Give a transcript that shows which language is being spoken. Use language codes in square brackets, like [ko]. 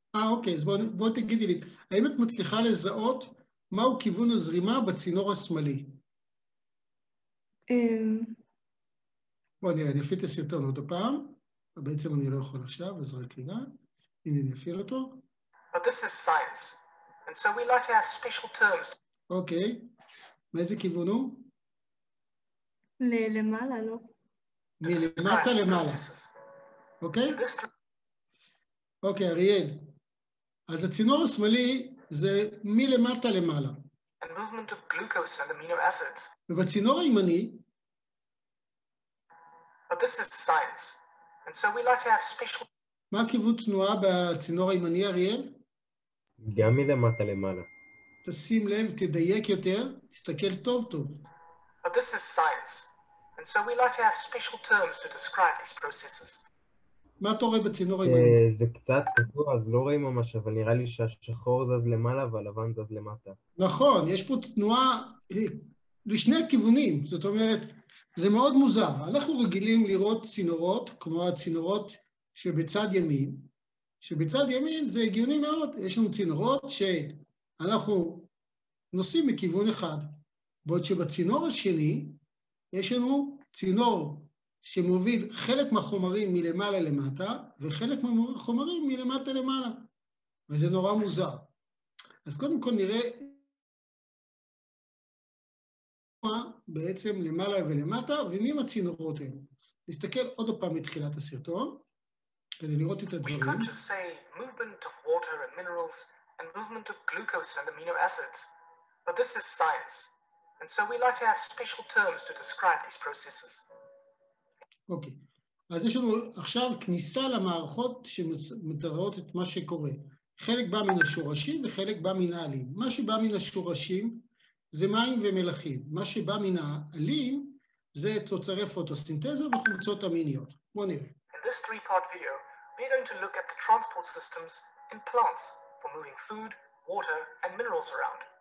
[he] אוקיי, אז בוא תגידי לי, האם את מצליחה לזהות מהו כיוון הזרימה בצינור השמאלי? בוא נראה, אני אפיל את הסרטון עוד הפעם, בעצם אני לא יכול עכשיו, אז רק רגע, הנה אני אפיל אותו. [en] But this is science, and so we like to have special terms. [he] אוקיי, מאיזה כיוון הוא? למעלה, לא. מלמטה למעלה. אוקיי? אוקיי, אריאל. אז הצינור השמאלי זה מלמטה למעלה. [en] And movement of glucose and amino acids. [he] ובצינור הימני. [en] But this is science. And so we like to have special... [he] מה כיוון תנועה בצינור הימני, אריאל? גם מלמטה למעלה. תשים לב, תדייק יותר, תסתכל טוב טוב. [en] But this is science. And so we like to have special terms to describe these processes. [he] מה אתה רואה בצינור הימני? זה קצת קטוע, אז לא רואים ממש, אבל נראה לי שהשחור זז למעלה והלבן זז למטה. נכון, יש פה תנועה לשני הכיוונים, זאת אומרת, זה מאוד מוזר. אנחנו רגילים לראות צינורות, כמו הצינורות שבצד ימין, שבצד ימין זה הגיוני מאוד, יש לנו צינורות שאנחנו נוסעים מכיוון אחד, בעוד שבצינור השני יש לנו צינור שמוביל חלק מהחומרים מלמעלה למטה, וחלק מהחומרים מלמטה למעלה. וזה נורא מוזר. אז קודם כל נראה בעצם למעלה ולמטה, ומי עם הצינורות האלו. נסתכל עוד פעם מתחילת הסרטון, כדי לראות את הדברים. [en] We can't just say movement of water and minerals and movement of glucose and amino acids, but this is science. And so we like to have special terms to describe these processes. [he] אוקיי, אז יש לנו עכשיו כניסה למערכות שמתראות את מה שקורה. חלק בא מן השורשים וחלק בא מן העלים. מה שבא מן השורשים זה מים ומלחים. מה שבא מן העלים זה תוצרי פוטוסינתזה וחומצות אמיניות. בואו נראה. [en] In this three-part video, we are going to look at the transport systems in plants for moving food, water and minerals around.